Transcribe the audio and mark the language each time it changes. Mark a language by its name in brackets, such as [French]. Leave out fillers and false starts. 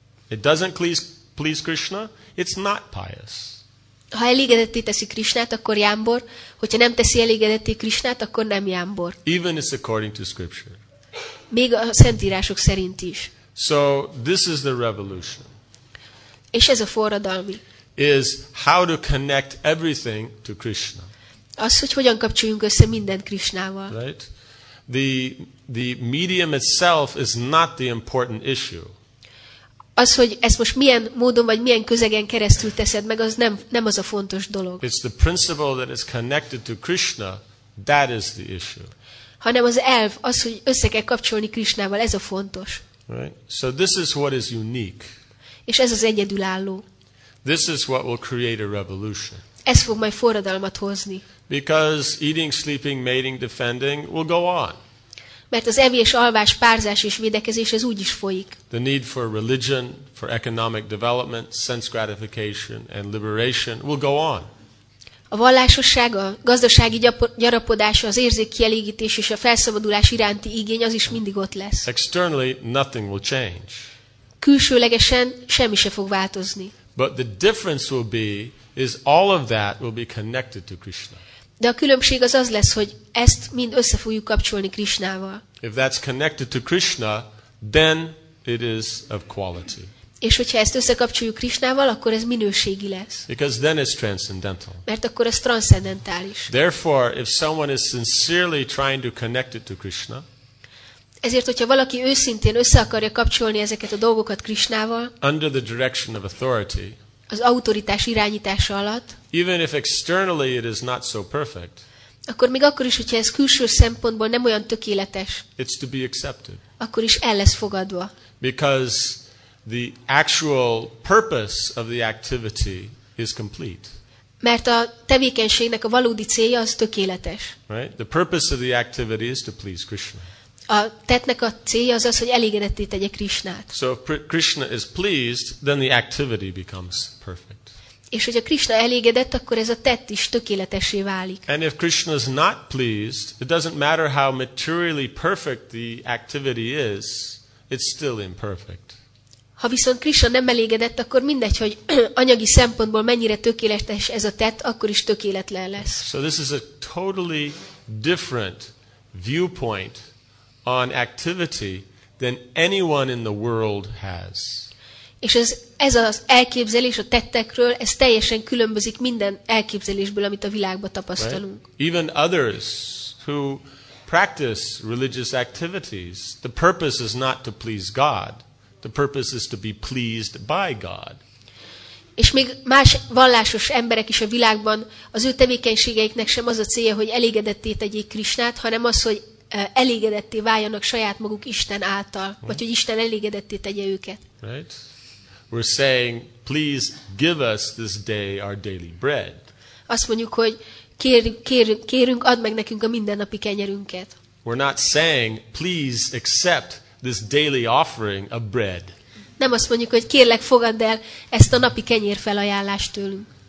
[English] It doesn't please Krishna, it's not pious. [Hungarian] Ha elégedetté teszi Krishnát, akkor jámbor. Hogyha nem teszi elégedetté Krishnát, akkor nem jámbor. [English] Even it's according to scripture. [Hungarian] Még a szentírások szerint is. [English] So this is the revolution. [Hungarian] És ez a forradalmi. [English] Is how to connect everything to Krishna. [Hungarian] Az, hogy hogyan kapcsoljunk össze mindent Krishnával. [English] Right? The medium itself is not the important issue. [Hungarian] az, hogy ezt most milyen módon vagy milyen közegen keresztül teszed meg, az nem az a fontos dolog. [English] It's the principle that is connected to Krishna, that is the issue. [Hungarian] Hanem az elv, az, hogy össze kell kapcsolni Krishnával, ez a fontos. [English] Right? So this is what is unique. [Hungarian] És ez az egyedülálló. [English] This is what will create a revolution. [Hungarian] Ez fog majd forradalmat hozni. [English] Because eating, sleeping, mating, defending will go on. [Hungarian] Mert az evés, alvás, párzás és védekezés ez úgy is folyik. [English] The need for religion, for economic development, sense gratification and liberation will go on. [Hungarian] A vallásosság, a gazdasági gyarapodás, az érzékkielégítés és a felszabadulás iránti igény az is mindig ott lesz. [English] Externally nothing will change. [Hungarian] Külsőlegesen semmi se fog változni. [English] But the difference will be is all of that will be connected to Krishna. [Hungarian] De a különbség az az lesz, hogy ezt mind össze fogjuk kapcsolni Krishnával. [English] If that's connected to Krishna, then it is of quality. [Hungarian] És hogyha ezt összekapcsoljuk Krishnával, akkor ez minőségi lesz. [English] Because then it's transcendental. [Hungarian] Mert akkor ez transzcendentális. [English] Therefore, if someone is sincerely trying to connect it to Krishna, [Hungarian] ezért, hogyha valaki őszintén össze akarja kapcsolni ezeket a dolgokat Krishnával, [English] under the direction of authority, [Hungarian] az autoritás irányítása alatt, [English] even if externally it is not so perfect, [Hungarian] akkor még akkor is, hogyha ez külső szempontból nem olyan tökéletes, [English] it's to be accepted. [Hungarian] Akkor is el lesz fogadva. [English] Because the actual purpose of the activity is complete. [Hungarian] Mert a tevékenységnek a valódi célja az tökéletes. [English] Right? The purpose of the activity is to please Krishna. [Hungarian] A tettnek a célja az az, hogy elégedetté tegye Krishnát. [English] So if Krishna is pleased, then the activity becomes perfect. [Hungarian] És hogyha Krishna elégedett, akkor ez a tett is tökéletessé válik. [English] And if Krishna is not pleased, it doesn't matter how materially perfect the activity is, it's still imperfect. [Hungarian] Ha viszont Krishna nem elégedett, akkor mindegy, hogy anyagi szempontból mennyire tökéletes ez a tett, akkor is tökéletlen lesz. [English] So this is a totally different viewpoint on activity than anyone in the world has. [Hungarian] És ez az elképzelés a tettekről, ez teljesen különbözik minden elképzelésből, amit a világban tapasztalunk. [English] Right? Even others who practice religious activities, the purpose is not to please God. The purpose is to be pleased by God. [Hungarian] És még más vallásos emberek is a világban, az ő tevékenységeiknek sem az a célja, hogy elégedetté tegyék Krisnát, hanem az, hogy elégedetté váljanak saját maguk Isten által, vagy hogy Isten elégedetté tegye őket. [English] Right? We're saying, please give us this day our daily bread. [Hungarian] Azt mondjuk, hogy kérünk, add meg nekünk a mindennapi kenyerünket. [English] We're not saying, please accept this daily offering of bread. [Hungarian] Nem azt mondjuk, hogy kérlek, fogadd el ezt a napi kenyér felajánlást tőlünk.